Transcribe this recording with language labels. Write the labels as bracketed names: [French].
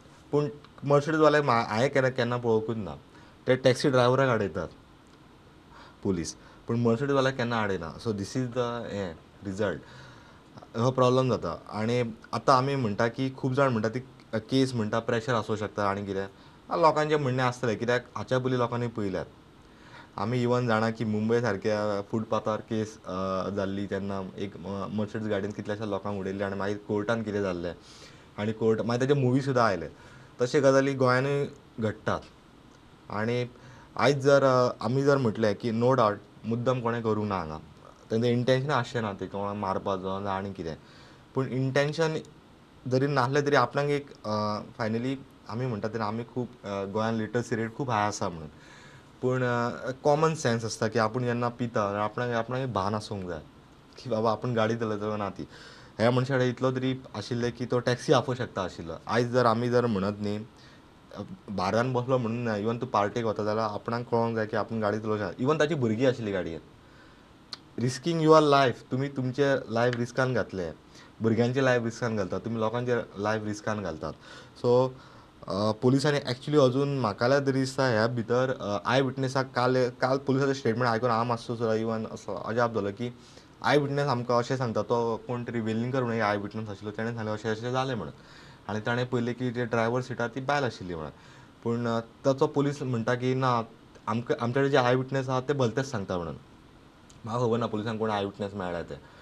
[Konkani] पूण मर्सडीजवाल्याक हांवें केन्ना केन्ना पळोवंकूच ना. ते टॅक्सी ड्रायव्हराक आडयतात पुलीस, पूण मर्सडीजवाल्याक केन्ना आडयना. [English] so this is the हे result, [Konkani] हो प्रॉब्लम जाता. आनी आतां आमी म्हणटा की खूब जाण म्हणटा ती केस म्हणटा प्रेशर आसूं शकता आनी कितें, लोकांचें म्हणणें आसतलें कित्याक हाच्या पयलीं लोकांनी पळयल्यात. आमी इवन जाणा की मुंबय सारक्या फुटपाथार केस जाल्ली तेन्ना एक मर्सडीज गाडयेन कितल्याश्या लोकांक उडयल्ली आनी मागीर कोर्टान कितें जाल्लें आनी कोर्ट मागीर तेजे मुवी सुद्दां आयले. तशें गजाली गोंयानूय घडटात. आनी आयज जर आमी जर म्हटलें की नो डावट मुद्दम कोणें करूंक ना हांगा, तेंचें इंटेन्शन आसचें ना ती कोणाक मारपाचो जावं आनी कितें, पूण इंटेन्शन जरी नासलें तरी आपणाक एक फायनली आमी म्हणटात तेन्ना आमी खूब गोंयान लिटरसी रेट खूब हाय आसा म्हणून, पूण कॉमन सेन्स आसता की आपूण जेन्ना पिता आपणाक एक भान आसूंक जाय की बाबा आपूण गाडी चलयतलो जाल्यार ना ती. ह्या मनशा कडेन इतलो तरी आशिल्लें की तो टॅक्सी आपोवंक शकता आशिल्लो. आयज जर आमी जर म्हणत न्ही भारान बसलो म्हणून ना, इवन तूं पार्टेक वता जाल्यार आपणाक कळोंक जाय की आपूण गाडी चलोवंक शकता. इवन ताची भुरगीं आशिल्ली गाडयेन, [English] risking your life, [Konkani] तुमी तुमचे लायफ रिस्कान घातले, भुरग्यांचे लायफ रिस्कान घालतात, तुमी लोकांचे लायफ रिस्कान घालतात. सो पुलिसांनी ॲक्च्युली अजून म्हाका जाल्यार तरी दिसता ह्या भितर आय विटनेसाक काल पुलिसाचो स्टेटमेंट आयकून हांव मातसो सुद्दां इवन असो अजाप जालो की आय विटनेस आमकां अशें सांगता तो कोण तरी वेलिंगकर म्हणून आय विटनेस आशिल्लो, ताणें सांगलें अशें अशें जालें म्हणून. आनी ताणें पयलें की जे ड्रायव्हर सिटार ती बायल आशिल्ली म्हणून, पूण ताचो पुलीस म्हणटा की ना आमकां आमचे कडेन जे आय विटनेस आसा ते भलतेच सांगता म्हणून. म्हाका खबर ना पुलिसांक कोण आय विटनेस मेळ्ळे ते.